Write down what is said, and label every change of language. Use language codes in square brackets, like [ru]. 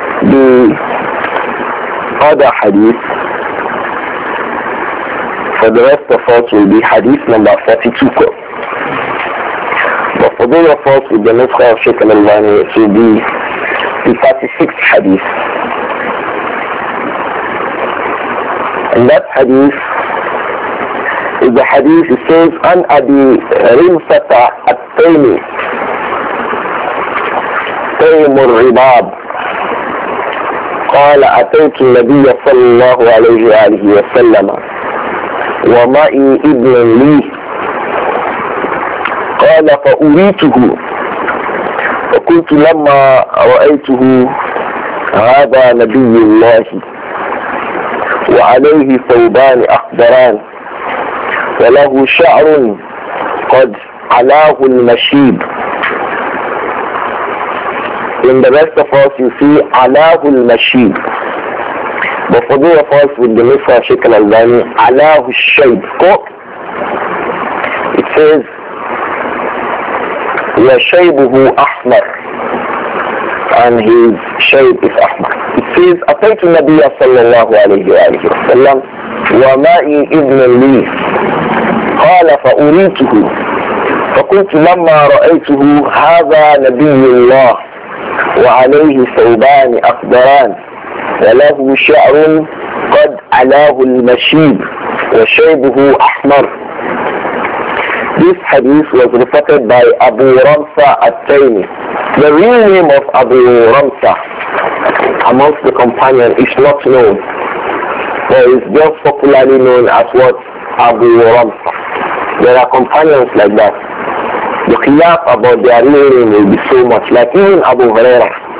[en] The other hadith for the rest of us will be hadith number 42. But for those of us with the Nuskha of Shaykh al-Albani, it will be the 36th hadith. And that hadith is the hadith, it says, An Abi Rimsata At-Taymi, [ar] Taymur Ribab, قال أتيت النبي صلى الله عليه وآله وسلم ومعي ابن لي قال فأريته فقلت لما رأيته هذا نبي الله وعليه ثوبان أخضران وله شعر قد علاه المشيب. [en] In the rest of us, you see, Allahu al-Mashib. But for those of us with the Nuskha of Shaykh al-Albani, Allahu al-Shayb. It says, [ar] وَشَيْبُهُ أَحْمَرُ. [en] And his shayb is ahmar. It says, [ar] أَتَيْتُ النَّبِيَ صَلَّى اللَّهُ عَلَيْهِ وَآلِهِ وَسَلَّمْ وَمَعِي إِذْنِ لِي قَالَ فَأُرِيتُهُ فَقُلْتُ لَمَّا رَأَيْتُهُ هَذَا نَبِيُّ اللَّهِ وعليه ثوبان أخضران وله شعر قد علاه المشيب وشيبه أحمر. [en] This hadith was reported by Abu Ramsa At-Taymi. The real name of Abu Ramsa amongst the companion is not known, but is just popularly known as what? Abu Ramsa. there are companions like that. The khilaf about their kneeling will be so much, like even Abu Huraira.